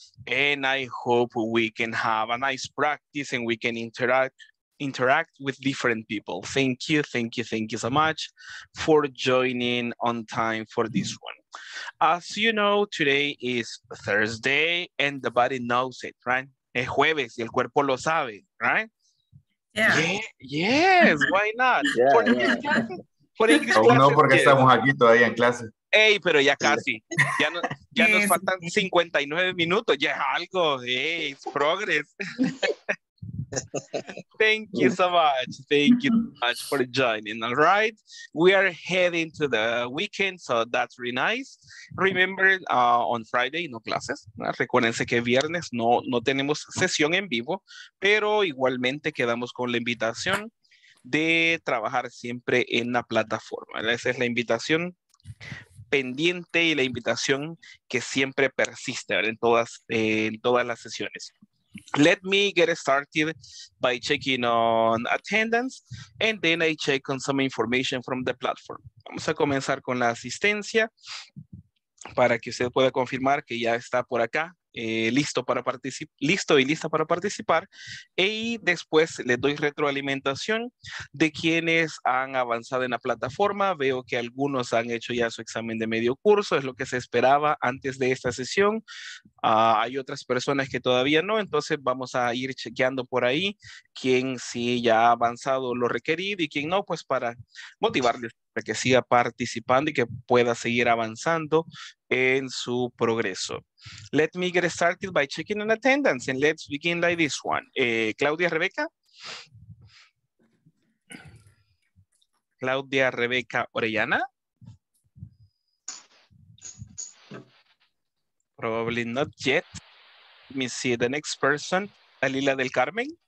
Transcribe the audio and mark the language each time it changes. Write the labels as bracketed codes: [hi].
[en] And I hope we can have a nice practice and we can interact with different people. Thank you, thank you, thank you so much for joining on time for this one. As you know, today is Thursday and the body knows it, right? [es] Es jueves y el cuerpo lo sabe, [en] right? Yeah. Yeah, yes, why not? [es] Aún no, porque estamos aquí todavía en clase. Ey, pero ya casi. Ya, no, ya nos faltan 59 minutos. Ya es algo. [en] Hey, it's progress. Thank you so much. Thank you so much for joining. All right. We are heading to the weekend, so that's really nice. Remember, on Friday, [es] no clases. Recuérdense que viernes no tenemos sesión en vivo, pero igualmente quedamos con la invitación de trabajar siempre en la plataforma. Esa es la invitación pendiente y la invitación que siempre persiste en todas las sesiones. Let me get started by checking on attendance and then I check on some information from the platform. Vamos a comenzar con la asistencia para que usted pueda confirmar que ya está por acá, listo y lista para participar. Y después le doy retroalimentación de quienes han avanzado en la plataforma. Veo que algunos han hecho ya su examen de medio curso, es lo que se esperaba antes de esta sesión. Hay otras personas que todavía no, entonces vamos a ir chequeando por ahí quién sí ya ha avanzado lo requerido y quién no, pues para motivarles para que siga participando y que pueda seguir avanzando en su progreso. [en] Let me get started by checking on attendance and let's begin like this one. Claudia Rebeca. Claudia Rebeca Orellana. Probably not yet. Let me see the next person. Dalila del Carmen.